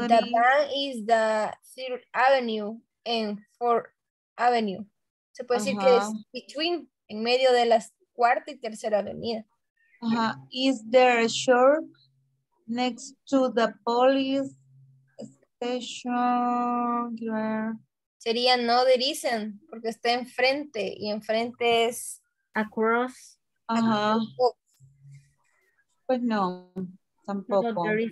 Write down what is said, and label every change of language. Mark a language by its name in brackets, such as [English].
[English] The bank is the 3rd Avenue and 4th Avenue. [Spanish] Se puede decir que es between, en medio de las 4th y 3rd Avenida. Uh-huh. [English] Is there a shop next to the police station? [Spanish] Sería no, [English] there isn't, [Spanish] porque está enfrente y enfrente es... [English] Across. [Spanish] Uh-huh. Pues no, tampoco.